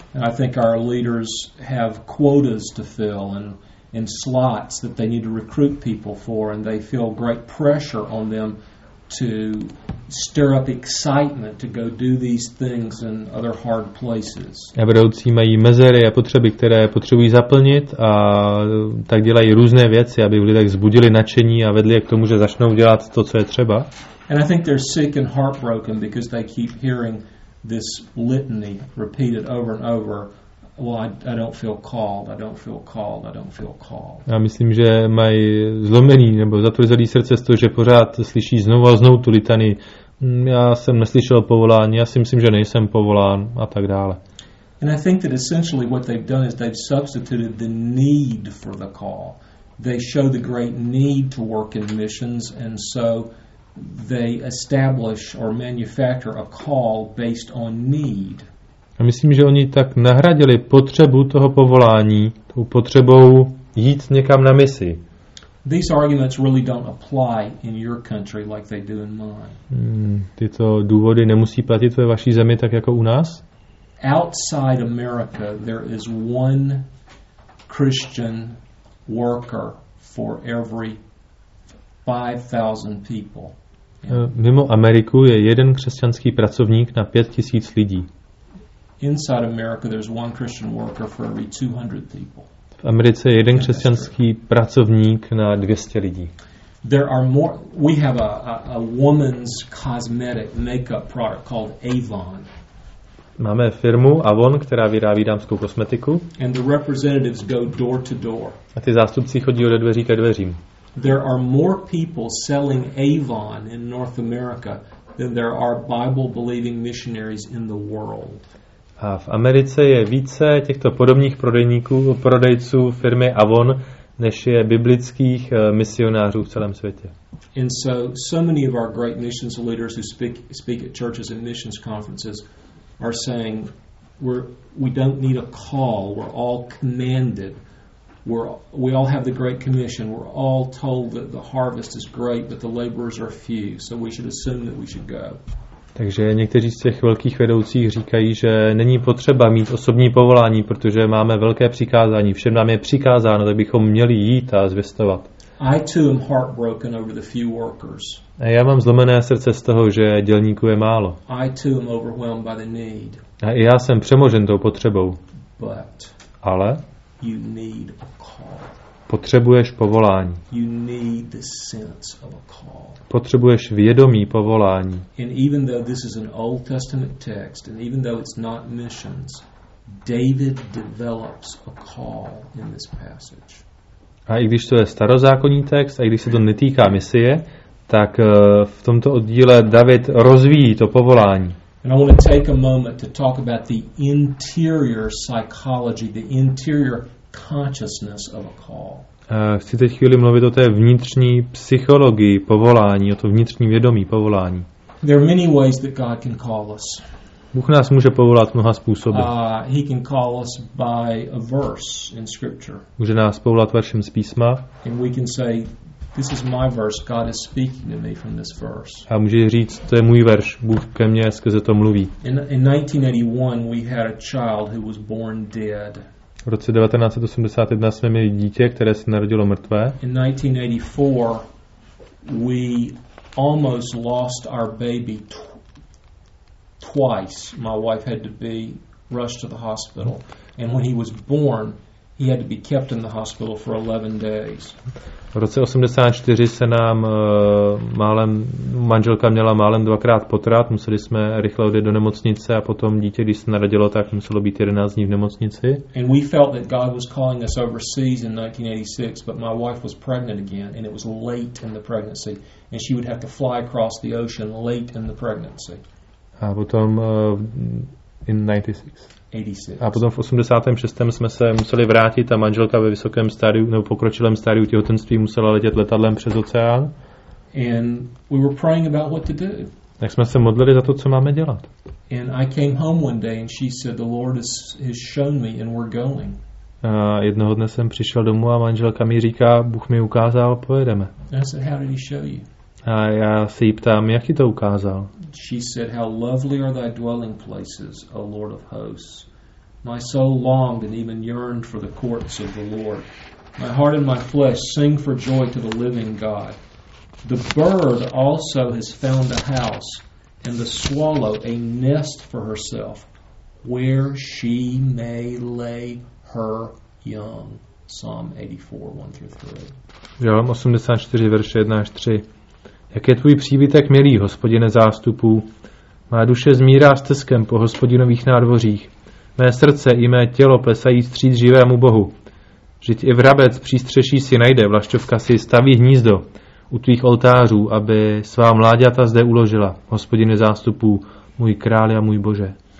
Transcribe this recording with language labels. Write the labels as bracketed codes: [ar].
[en] I think our leaders have quotas to fill and in slots that they need to recruit people for, and they feel great pressure on them to stir up excitement to go do these things in other hard places. [cs] A vedoucí mají mezery a potřeby, které potřebují zaplnit, a tak dělají různé věci, aby v lidech vzbudili nadšení a vedli je k tomu, že začnou dělat to, co je třeba. [en] And I think they're sick and heartbroken because they keep hearing this litany repeated over and over. Well, I don't feel called, I don't feel called, I don't feel called. [cs] Já myslím, že mají zlomený nebo zatvrzelý srdce z toho, že pořád slyší znovu a znovu tu litany. Já jsem neslyšel povolání, já si myslím, že nejsem povolán a tak dále. [en] And I think that essentially what they've done is they've substituted the need for the call. They show the great need to work in missions, and so they establish or manufacture a call based on need. [cs] A myslím, že oni tak nahradili potřebu toho povolání, tou potřebou jít někam na misi. [en] These arguments really don't apply in your country like they do in mine. [cs] Tyto důvody nemusí platit ve vaší zemi tak jako u nás? [en] Outside America there is one Christian worker for every 5,000 people. [cs] Mimo Ameriku je jeden křesťanský pracovník na 5,000 lidí. [en] Inside America there's one Christian worker for every 200 people. [cs] V Americe je jeden křesťanský pracovník na 200 lidí. [en] There are more. We have a woman's cosmetic makeup product called Avon. [cs] Máme firmu Avon, která vyrábí dámskou kosmetiku. [en] And the representatives go door to door. [cs] A ty zástupci chodí od dveří ke dveřím. [en] There are more people selling Avon in North America than there are Bible-believing missionaries in the world. [cs] A v Americe je více těchto podobných prodejníků, prodejců firmy Avon, než je biblických misionářů v celém světě. [en] And so, so many of our great missions leaders who speak at churches and missions conferences are saying we don't need a call, we're all commanded, we all have the great commission, we're all told that the harvest is great but the laborers are few, so we should assume that we should go. [cs] Takže někteří z těch velkých vedoucích říkají, že není potřeba mít osobní povolání, protože máme velké přikázání, všem nám je přikázáno, tak bychom měli jít a zvěstovat. [en] I too am heartbroken over the few workers. [cs] A já mám zlomené srdce z toho, že dělníků je málo. [en] I too am overwhelmed by the need. [cs] A já jsem přemožen tou potřebou. [en] But [cs] ale [en] you need a call. [cs] Potřebuješ povolání. [en] You need the sense of a call. [cs] Potřebuješ vědomí povolání. [en] And even though this is an Old Testament text, and even though it's not missions, David develops a call in this passage. [cs] A i když to je starozákonní text, a i když se to netýká misie, tak v tomto oddíle David rozvíjí to povolání. [en] And I want to take a moment to talk about the interior psychology, the interior consciousness of a call. [cs] Chci teď chvíli mluvit o té vnitřní psychologii povolání, o to vnitřní vědomí povolání. [en] There are many ways that God can call us. [cs] Bůh nás může povolat mnoha způsoby. [en] He can call us by a verse in scripture. [cs] Může nás povolat veršem z písma. [en] And we can say, this is my verse, God is speaking to me from this verse. [cs] A může říct, to je můj verš, Bůh ke mně skrze to mluví. [en] In 1981 we had a child who was born dead. [cs] V roce 1981 jsme měli dítě, které se narodilo mrtvé. [en] In 1984 we almost lost our baby twice. My wife had to be rushed to the hospital, and when he was born he had to be kept in the hospital for 11 days. [cs] V roce 84 se nám málem manželka měla málem dvakrát potrat, museli jsme rychle odjet do nemocnice a potom dítě, když se narodilo, tak muselo být 11 dní v nemocnici. [en] And we felt that God was calling us overseas in 1986, but my wife was pregnant again and it was late in the pregnancy and she would have to fly across the ocean late in the pregnancy. [cs] A potom in 86. A potom v 86. jsme se museli vrátit a manželka ve vysokém stádiu nebo pokročilém stádiu těhotenství musela letět letadlem přes oceán. [en] And we were praying about what to do. [cs] Tak jsme se modlili za to, co máme dělat. [en] And I came home one day and she said the Lord has shown me and we're going. [cs] A jednoho dne jsem přišel domů a manželka mi říká, Bůh mi ukázal, pojedeme. [en] And I said, how did he show you? [cs] A já se jí ptám, jak ji to ukázal. [en] She said, how lovely are thy dwelling places, O Lord of hosts. My soul longed and even yearned for the courts of the Lord. My heart and my flesh sing for joy to the living God. The bird also has found a house, and the swallow a nest for herself, where she may lay her young. Psalm 84, 1-3. [cs] Jo, 84, verše 1-3. Jak je tvůj příbytek milý, hospodine zástupů. Má duše zmírá stezkem po hospodinových nádvořích. Mé srdce i mé tělo plesají vstříc živému Bohu. Vždyť i vrabec přístřeší si najde, vlašťovka si staví hnízdo u tvých oltářů, aby svá mláďata zde uložila, hospodine zástupů, můj král a můj Bože.